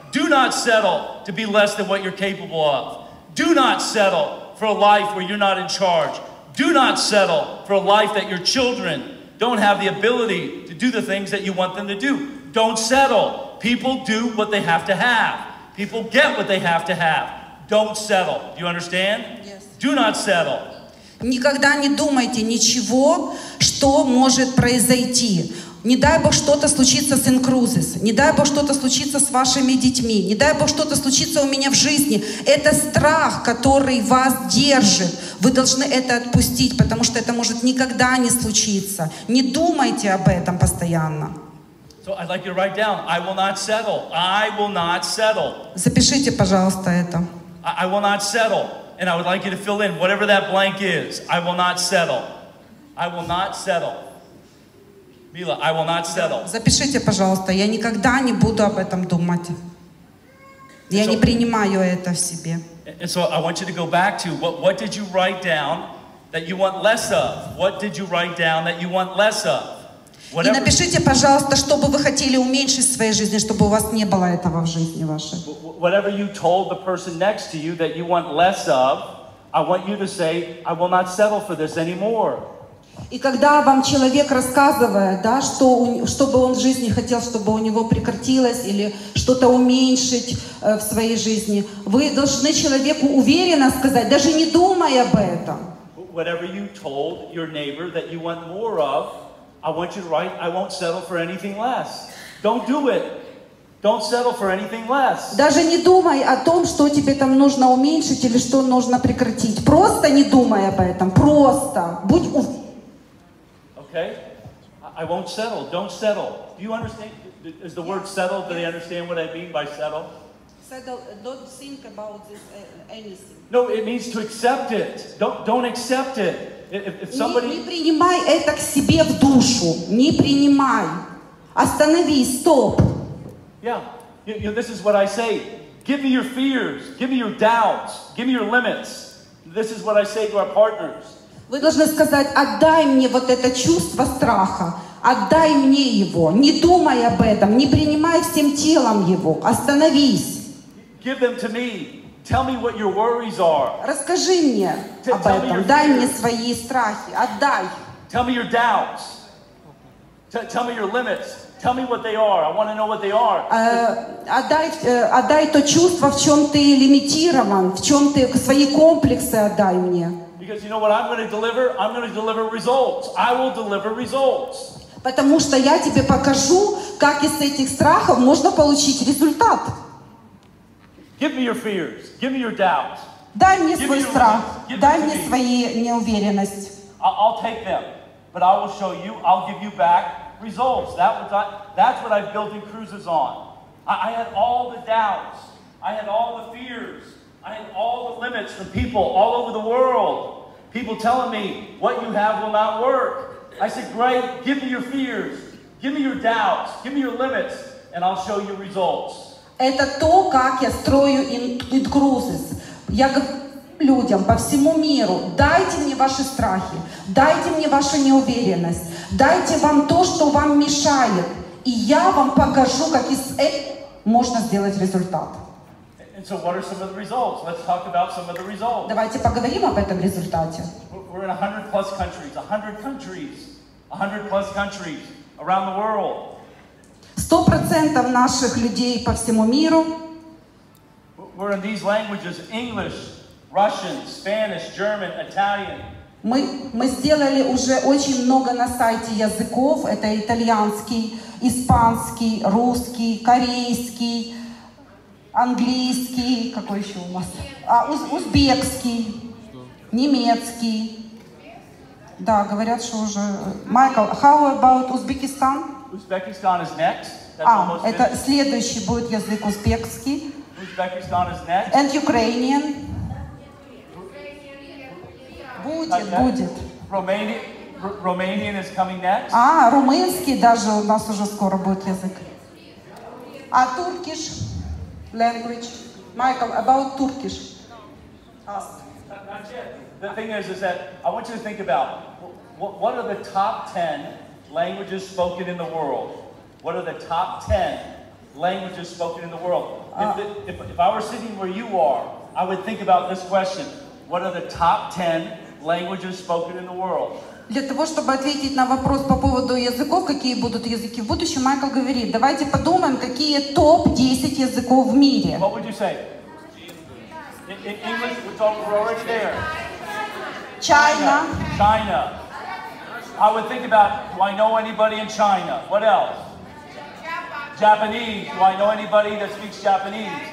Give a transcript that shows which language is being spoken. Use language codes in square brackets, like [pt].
[en] Do not settle to be less than what you're capable of. Do not settle for a life where you're not in charge. Do not settle for a life that your children don't have the ability to do the things that you want them to do. Don't settle. People do what they have to have. People get what they have to have. Don't settle. Do you understand? Yes. Do not settle. [ru] Никогда не думайте ничего, что может произойти. Не дай Бог что-то случится с Инкрузис, не дай Бог что-то случится с вашими детьми, не дай Бог что-то случится у меня в жизни. Это страх, который вас держит. Вы должны это отпустить, потому что это может никогда не случиться. Не думайте об этом постоянно. [en] So I'd like you to write down, I will not settle. I will not settle. [ru] Запишите, пожалуйста, это. [en] I will not settle. And I would like you to fill in whatever that blank is. I will not settle. I will not settle. Мила, I will not settle. [ru] Запишите, пожалуйста, я никогда не буду об этом думать. Я не принимаю это в себе. [en] And so I want you to go back to what did you write down that you want less of? What did you write down that you want less of? [ru] Whatever. И напишите, пожалуйста, что бы вы хотели уменьшить в своей жизни, чтобы у вас не было этого в жизни вашей. [en] Whatever you told the person next to you that you want less of, I want you to say, I will not settle for this anymore. [ru] И когда вам человек рассказывает, да, что бы он в жизни хотел, чтобы у него прекратилось или что-то уменьшить в своей жизни, вы должны человеку уверенно сказать, даже не думай об этом. [en] Whatever you told your neighbor that you want more of, I want you to write, I won't settle for anything less. Don't do it. Don't settle for anything less. [ru] Даже не думай о том, что тебе там нужно уменьшить или что нужно прекратить. Просто не думай об этом. Просто. Будь [en] Okay? I won't settle. Don't settle. Do you understand? Is the word settle? Do they understand what I mean by settle? Settle. Don't think about this, anything. No, it means to accept it. Don't accept it. If somebody... [ru] не принимай это к себе в душу. Не принимай. Остановись. Стоп. [en] Yeah. You know, this is what I say. Give me your fears. Give me your doubts. Give me your limits. This is what I say to our partners. [ru] Вы должны сказать, отдай мне вот это чувство страха. Отдай мне его. Не думай об этом. Не принимай всем телом его. Остановись. [en] Give them to me. Tell me what your worries are. [ru] Расскажи мне об этом. Дай мне свои страхи. Отдай. [en] Tell me your doubts. Tell me your limits. Tell me what they are. I want to know what they are. [ru] Отдай то чувство, в чем ты лимитирован, в чем ты свои комплексы отдай мне. [en] Because you know what I'm going to deliver? I'm going to deliver results. I will deliver results. [ru] Потому что я тебе покажу, как из этих страхов можно получить результат. [en] Give me your fears. Give me your doubts. [ru] Дай мне свой страх. Дай мне свои неуверенность. [en] I'll take them, but I will show you. I'll give you back results. That's what I've built in cruises on. I had all the doubts. I had all the fears. I had all the limits from people all over the world. People telling me what you have will not work. I said, great. Give me your fears. Give me your doubts. Give me your limits, and I'll show you results. [ru] Это то, как я строю Инкрузис. Я говорю людям по всему миру, дайте мне ваши страхи, дайте мне вашу неуверенность, дайте вам то, что вам мешает, и я вам покажу, как из этого можно сделать результат. [en] So what are some of the results? Let's talk about some of the results. [ru] Давайте поговорим об этом результате. [en] We're in 100 plus countries, 100 countries, 100 plus countries around the world. [ru] 100% наших людей по всему миру. [en] We're in these languages: English, Russian, Spanish, German, Italian. [ru] Мы сделали уже очень много на сайте языков. Это итальянский, испанский, русский, корейский, английский, какой еще у нас? Узбекский, немецкий. Да, говорят, что уже. [en] Майкл, how about Узбекистан? Uzbekistan is next. [ru] Это следующий будет язык узбекский. [en] Uzbekistan is next. And Ukrainian. [ru] Будет. [en] Romanian is coming next. [ru] Румынский даже у нас уже скоро будет язык. [en] А Turkish language. Michael, about Turkish. The thing is that I want you to think about what are the top 10 languages spoken in the world? What are the top 10 languages spoken in the world? If I were sitting where you are, I would think about this question. What are the top 10 languages spoken in the world? [ru] Для того, чтобы ответить на вопрос по поводу языков, какие будут языки в будущем, Майкл говорит, давайте подумаем, какие топ 10 языков в мире. [en] What would you say? In English, we're talking, we're already there. China. China. I would think about, do I know anybody in China? What else? Japanese. Do I know anybody that speaks Japanese?